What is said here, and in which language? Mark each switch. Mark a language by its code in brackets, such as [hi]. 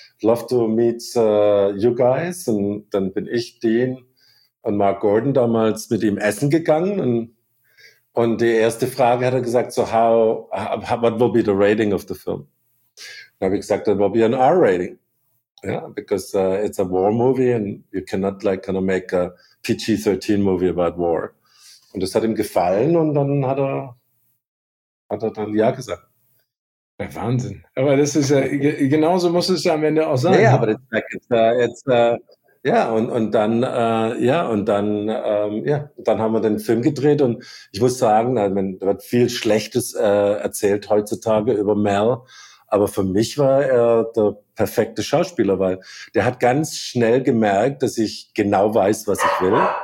[en] Love to meet you guys. [de] Und dann bin ich Dean und Mark Gordon damals mit ihm essen gegangen und die erste Frage hat er gesagt, [en] so how what will be the rating of the film? [de] Da habe ich gesagt, [en] it will be an R rating. Yeah, because it's a war movie and you cannot like kind of make a PG-13 movie about war. [de] Und das hat ihm gefallen und dann hat er dann ja gesagt. Ja, Wahnsinn. Aber das ist ja, genauso muss es ja am Ende auch sein. Ja, aber das ist ja, und dann haben wir den Film gedreht und ich muss sagen, da wird viel Schlechtes erzählt heutzutage über Mel, aber für mich war er der perfekte Schauspieler, weil der hat ganz schnell gemerkt, dass ich genau weiß, was ich will.